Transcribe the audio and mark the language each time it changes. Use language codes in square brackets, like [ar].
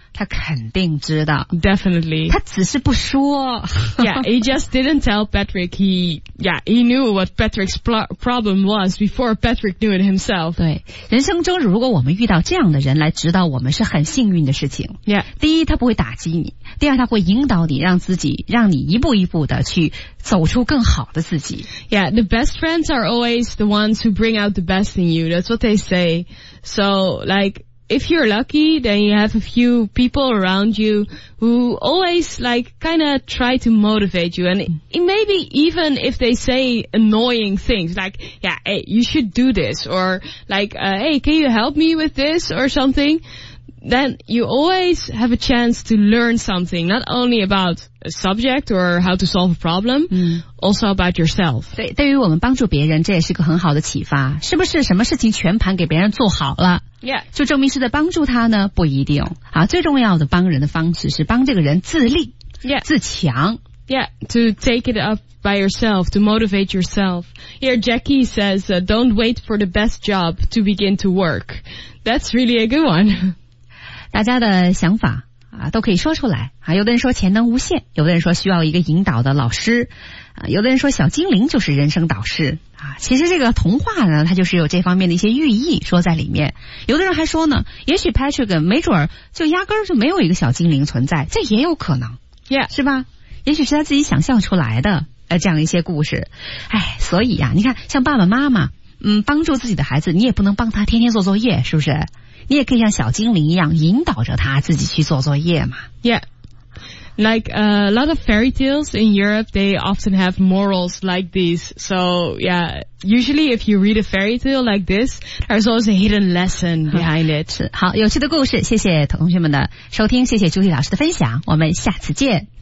[zh] 他肯定知道。 [en] Definitely. [zh] 他只是不说。 [en] Yeah, he just didn't tell Patrick. He knew what Patrick's problem was before Patrick knew it himself. [zh] 对，人生中如果我们遇到这样的人来指导我们是很幸运的事情。 [en] Yeah. [zh] 第一，他不会打击你。第二，他会引导你，让自己，让你一步一步的去走出更好的自己。 [en] Yeah, the best friends are always the ones who bring out the best in you. That's what they say. So, like... If you're lucky, then you have a few people around you who always, like, kind of try to motivate you. And maybe even if they say annoying things, like, yeah, hey, you should do this. Or, like, hey, can you help me with this or something? Then you always have a chance to learn something, not only about a subject or how to solve a problem,、 mm. also about yourself. [zh] 对，对于我们帮助别人，这也是个很好的启发。是不是什么事情全盘给别人做好了？ [en] Yeah. [zh] 就证明是在帮助他呢？不一定。啊，最重要的帮人的方式是帮这个人自立、 [en] yeah. [zh] 自强。 [en] Yeah, to take it up by yourself, to motivate yourself. Here, Jackie says, don't wait for the best job to begin to work. That's really a good one. [zh] 大家的想法啊，都可以说出来啊。有的人说潜能无限，有的人说需要一个引导的老师啊，有的人说小精灵就是人生导师啊。其实这个童话呢，它就是有这方面的一些寓意说在里面。有的人还说呢，也许 Patrick 没准儿就压根儿就没有一个小精灵存在，这也有可能， [en] yeah. [zh] 是吧？也许是他自己想象出来的这样一些故事。哎，所以呀，你看，像爸爸妈妈，帮助自己的孩子，你也不能帮他天天做作业，是不是？你也可以像小精灵一样引导着他自己去做作业嘛。 [en] Yeah. Like a lot of fairy tales in Europe, they often have morals like these. So yeah, usually if you read a fairy tale like this, there's always a hidden lesson behind it. [zh] 好，有趣的故事，谢谢同学们的收听，谢谢朱莉老师的分享，我们下次见。